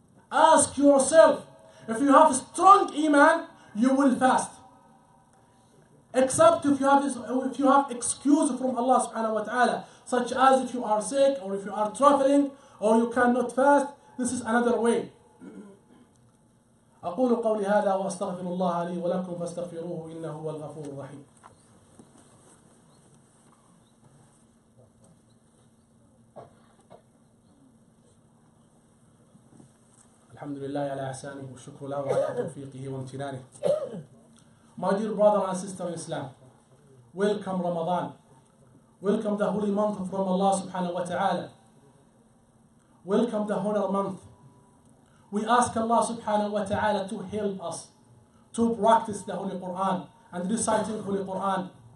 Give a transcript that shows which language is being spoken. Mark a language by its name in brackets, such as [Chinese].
[English] Ask yourself, if you have strong iman, you will fast. except if you have excuse from Allah subhanahu wa ta'ala, such as if you are sick or if you are traveling or you cannot fast. This is another way. [Arabic] أقول قولي هذا وأستغفر الله لي ولكم فاستغفروه إنه هو الغفور الرحيم. الحمد لله على إحسانه والشكر له وعلى توفيقه وامتنانه. [English] My dear brother and sister in Islam, welcome Ramadan. Welcome the holy month from Allah subhanahu wa ta'ala. Welcome the honor month. We ask Allah subhanahu wa ta'ala to help us to practice the Holy Quran and reciting Holy Quran.